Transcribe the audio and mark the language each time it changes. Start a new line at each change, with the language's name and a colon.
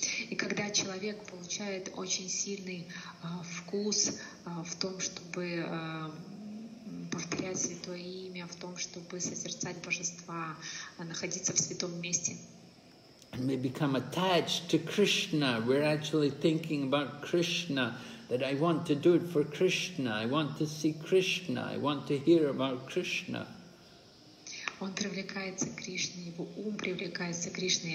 Russian: И когда человек получает очень сильный вкус в том, чтобы повторять святое имя, в том, чтобы созерцать божества, находиться в святом месте.
English: And we become attached to Krishna. We're actually thinking about Krishna, that I want to do it for Krishna. I want to see Krishna. I want to hear about Krishna.
Russian: Он привлекается к Кришне, его ум привлекается к Кришне.